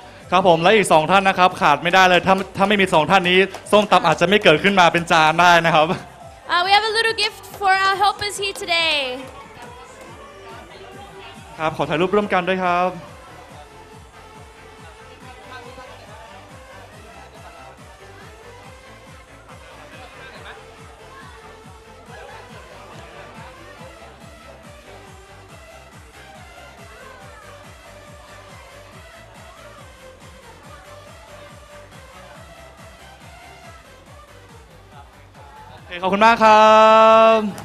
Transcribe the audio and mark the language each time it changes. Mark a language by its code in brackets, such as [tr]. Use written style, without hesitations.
[th] ครับผมและอีก2ท่านนะครับขาดไม่ได้เลยถ้าไม่มี2ท่านนี้ส้มตำอาจจะไม่เกิดขึ้นมาเป็นจานได้นะครับ [en] We have a little gift for our helpers here today. [th] ครับขอถ่ายรูปร่วมกันด้วยครับขอบคุณมากครับ